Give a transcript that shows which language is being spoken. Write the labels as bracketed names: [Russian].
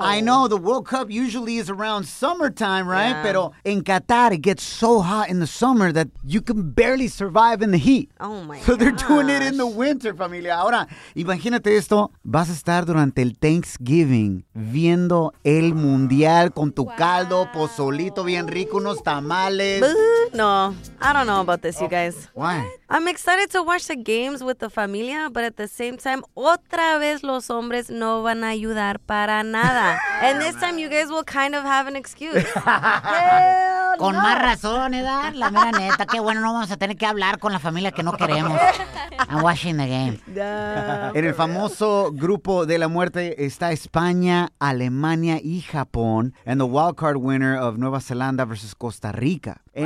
[English] I know, the World Cup usually is around summertime, right? Yeah. [Spanish] Pero en [English] Qatar, it gets so hot in the summer that you can barely survive in the heat. Oh, my God. So they're doing it in the winter, familia. [Spanish] Ahora, imagínate esto, vas a estar durante el Thanksgiving viendo el mundial con tu caldo, pozolito bien rico, unos tamales. [English] No, I don't know about this, you guys. Why? I'm excited to watch the games with the familia, but at the same time, [Spanish] otra vez los hombres no van a ayudar para nada. [English] And this time you guys will kind of have an excuse. Hell con no. [Spanish] Más razón, Edad, la mera neta, qué bueno, no vamos a tener que hablar con la familia que no queremos. [English] I'm watching the game. [Spanish] En el famoso grupo de la muerte está España, Alemania y Japón. [English] And the wild card winner of Nueva Zelanda versus Costa Rica. Wow.